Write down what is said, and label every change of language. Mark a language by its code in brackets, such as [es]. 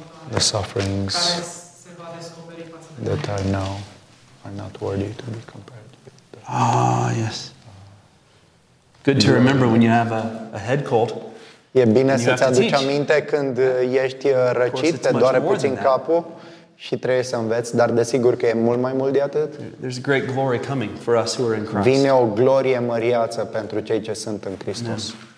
[en] The sufferings that are now are not worthy to be compared with. Yes. Good to remember when you have a head cold. [ro] E bine să-ți aduci aminte când ești răcit, te doare puțin capul și trebuie să înveți, dar desigur că e mult mai mult de atât. [en] There's great glory coming for us who are in Christ. [ro] Vine o glorie măriață pentru cei ce sunt în Hristos.